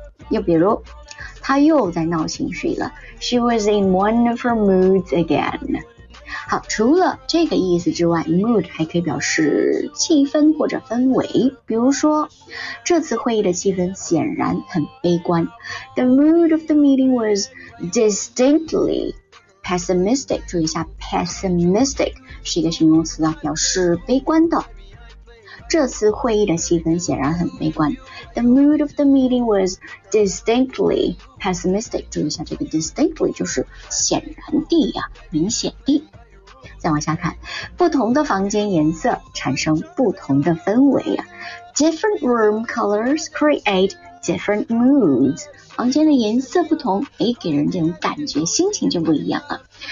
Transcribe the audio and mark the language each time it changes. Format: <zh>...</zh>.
<zh>又比如，她又在闹情绪了。</zh> <en>She was in one of her moods again.</en> <zh>好，除了这个意思之外， mood 还可以表示气氛或者氛围。比如说，这次会议的气氛显然很悲观。</zh> <en>The mood of the meeting was distinctly pessimistic.</en> <zh>注意一下， pessimistic 是一个形容词啊，表示悲观的。这次会议的气氛显然很悲观。</zh> <en>The mood of the meeting was distinctly pessimistic.</en> <zh>注意一下，这个 distinctly 就是显然地呀，明显地。再往下看，不同的房间颜色产生不同的氛围啊。</zh> <en>Different room colors create different moods.</en> <zh>房间的颜色不同，哎，给人这种感觉，心情就不一样了。</zh>